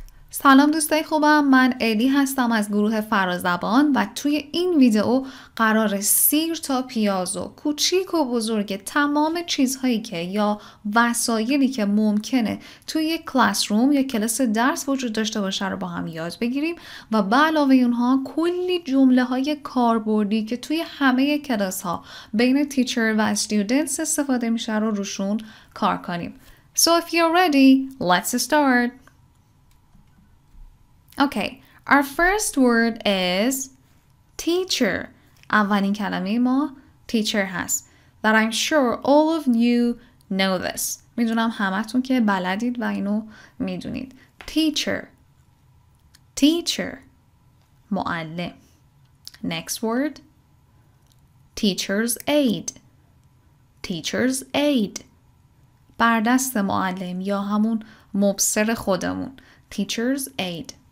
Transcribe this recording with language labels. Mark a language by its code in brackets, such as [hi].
[fa] سلام دوستای خوبم، من الی هستم از گروه فرازبان و توی این ویدئو قرار سیر تا پیاز و کوچیک و بزرگ تمام چیزهایی که یا وسایلی که ممکنه توی یک کلاس روم یا کلاس درس وجود داشته باشه رو با هم یاد بگیریم و به علاوه اونها کلی جمله های کاربردی که توی همه کلاس ها بین تیچر و استودنتس استفاده میشه رو روشون کار کنیم. [en] So if you're ready, let's start. Okay, our first word is teacher. [fa] اولین کلمه ما teacher هست. [en] That I'm sure all of you know this. [fa] میدونم همتون که بلدید و اینو میدونید. [en] Teacher. Teacher. [fa] معلم. [en] Next word. Teacher's aid. Teacher's aid. [fa] بردست معلم یا همون مبصر خودمون. [en] Teacher's aid.